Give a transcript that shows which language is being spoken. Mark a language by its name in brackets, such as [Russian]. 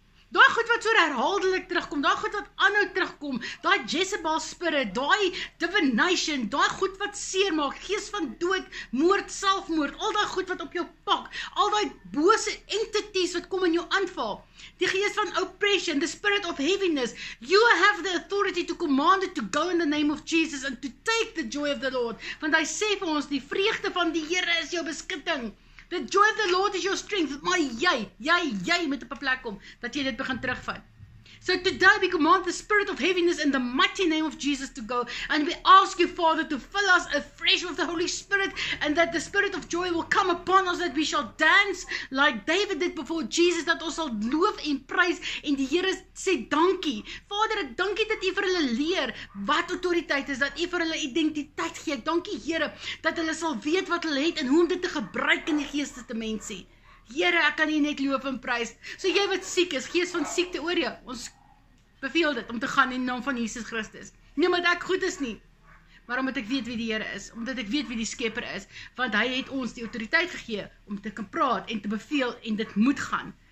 [Afrikaans] Daai goed wat so herhaaldelik terugkom, daai goed wat aanhou terugkom, daai Jezebel spirit, daai divination, daai goed wat seer maak, gees van dood, moord, selfmoord, al daai goed wat op jou pak, al daai bose entities wat kom in jou aanval, die gees van oppression, [English] the spirit of heaviness, you have the authority to command it to go in the name of Jesus and to take the joy of the Lord, [Afrikaans] want hy sê vir ons, die vreugde van die Here is jou beskutting. [English] The joy of the Lord is your strength, [Afrikaans] maar jy moet op 'n plek kom, dat jy dit begin terugvat. [English] So today we command the spirit of heaviness in the mighty name of Jesus to go, and we ask you, Father, to fill us afresh with the Holy Spirit, and that the spirit of joy will come upon us, that we shall dance like David did before Jesus, that [Afrikaans] ons sal loof en prys, en die Here sê dankie. Vader, ek dankie dat U vir hulle leer wat autoriteit is, dat U vir hulle identiteit gee. Ek dankie, Here, dat hulle sal weet wat hulle het en hoe om dit te gebruik in die geestesdimensie. Here, ek kan U net loof en prys. So jy wat siek is, gees van siekte oor jou. Ons beveel dit om te gaan in die naam van Jesus Christus. Nie omdat ek goed is nie, maar omdat ek weet wie die Here is, omdat ek weet wie die Skepper is, want hy het ons die autoriteit gegee om te kan praat en te beveel en dit moet gaan.